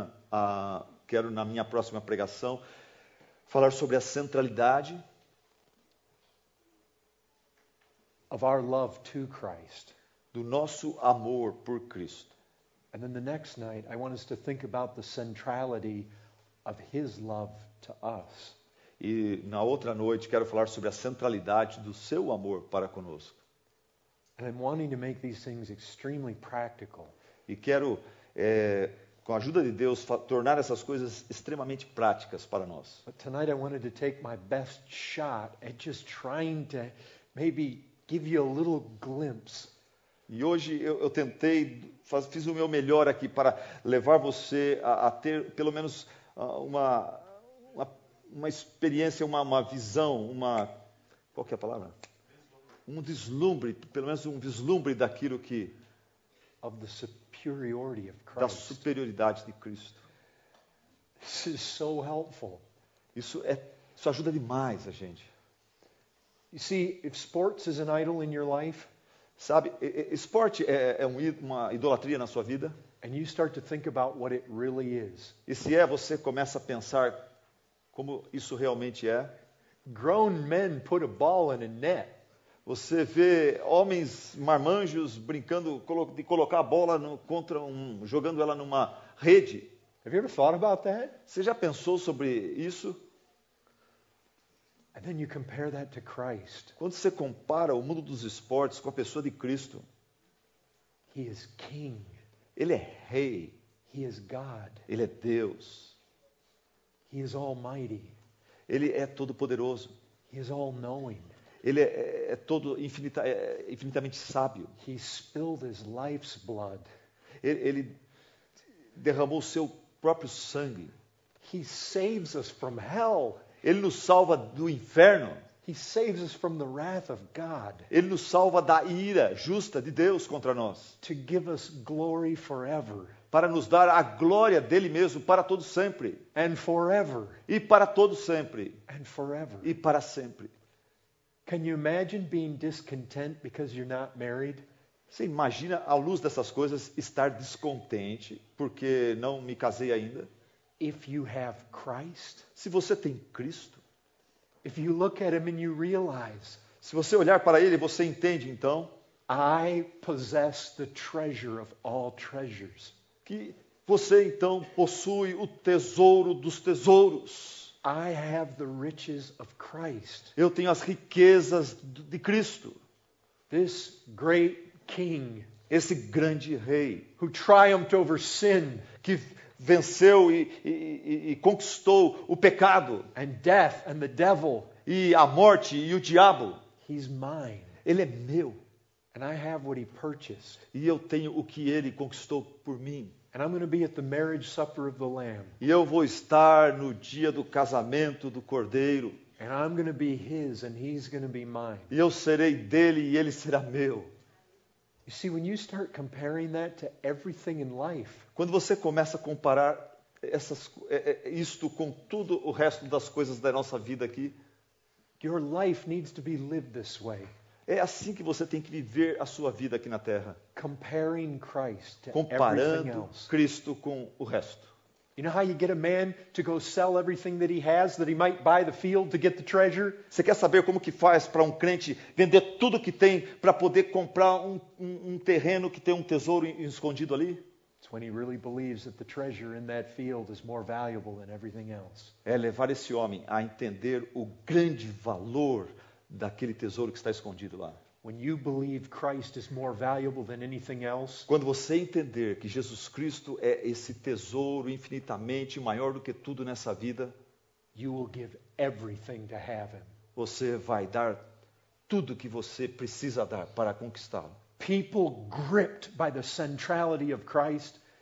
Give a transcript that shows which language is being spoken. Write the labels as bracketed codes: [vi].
[pt] Amanhã quero na minha próxima pregação falar sobre a centralidade [en] of our love to Christ. [pt] Do nosso amor por Cristo. [en] And then the next night I want us to think about the centrality of his love to us. [pt] E na outra noite quero falar sobre a centralidade do seu amor para conosco. [en] And I'm wanting to make these things extremely practical. [pt] E quero com a ajuda de Deus tornar essas coisas extremamente práticas para nós. [en] But tonight I wanted to take my best shot at just trying to maybe give you a little glimpse. [pt] E hoje eu tentei, fiz o meu melhor aqui para levar você a ter pelo menos uma experiência, uma visão, qual que é a palavra? Um deslumbre, pelo menos um vislumbre daquilo que... [en] Of the superiority of Christ. [pt] Da superioridade de Cristo. [en] This is so helpful. [pt] Isso ajuda demais a gente. [en] You see, if sports is an idol in your life, [pt] sabe, esporte é uma idolatria na sua vida. [en] And you start to think about what it really is. [pt] E se você começa a pensar como isso realmente é. [en] Grown men put a ball in a net. [pt] Você vê homens marmanjos brincando de colocar a bola jogando ela numa rede. [en] Have you ever thought about that? [pt] Você já pensou sobre isso? [en] And then you compare that to Christ. [pt] Quando você compara o mundo dos esportes com a pessoa de Cristo, [en] he is king. [pt] Ele é rei. [en] He is God. [pt] Ele é Deus. [en] He is almighty. [pt] Ele é todo-poderoso. [en] He is all-knowing. [pt] Ele é todo infinitamente sábio. [en] He spilled his life's blood. [pt] Ele derramou seu próprio sangue. [en] He saves us from hell. [pt] Ele nos salva do inferno. [en] He saves us from the wrath of God. [pt] Ele nos salva da ira justa de Deus contra nós. [en] To give us glory forever. [pt] Para nos dar a glória dele mesmo para todo sempre. [en] And forever. [pt] E para todo sempre. [en] And forever. [pt] E para sempre. [en] Can you imagine being discontent because you're not married? [pt] Você imagina, à luz dessas coisas, estar descontente porque não me casei ainda? [en] If you have Christ, [pt] se você tem Cristo, [en] if you look at him and you realize, [pt] se você olhar para ele, você entende então, [en] I possess the treasure of all treasures, [pt] que você então possui o tesouro dos tesouros. [en] I have the riches of Christ. [pt] Eu tenho as riquezas de Cristo. [en] This great king, [pt] esse grande rei, [en] who triumphed over sin, [pt] que venceu e conquistou o pecado, [en] and death and the devil, [pt] e a morte e o diabo, [en] he's mine. [pt] Ele é meu. [en] And I have what he purchased. [pt] E eu tenho o que ele conquistou por mim. [en] And I'm going to be at the marriage supper of the Lamb. [pt] E eu vou estar no dia do casamento do Cordeiro. [en] And I'm going to be his and he's going to be mine. [pt] E eu serei dele e ele será meu. [en] You see, when you start comparing that to everything in life, [pt] quando você começa a comparar isto com tudo o resto das coisas da nossa vida aqui, [en] your life needs to be lived this way. [pt] É assim que você tem que viver a sua vida aqui na Terra. [en] Comparing Christ to [pt] comparando [en] everything else. [pt] Cristo com o resto. [en] You know how you get a man to go sell everything that he has that he might buy the field to get the treasure? [pt] Você quer saber como que faz para um crente vender tudo que tem para poder comprar um terreno que tem um tesouro escondido ali? [en] It's when he really believes that the treasure in that field is more valuable than everything else. [pt] É levar esse homem a entender o grande valor daquele tesouro que está escondido lá. [en] When you believe Christ is more valuable than anything else, [pt] quando você entender que Jesus Cristo é esse tesouro infinitamente maior do que tudo nessa vida, [en] you will give everything to have him. [pt] Você vai dar tudo que você precisa dar para conquistá-lo. [en] People gripped by the centrality of Christ,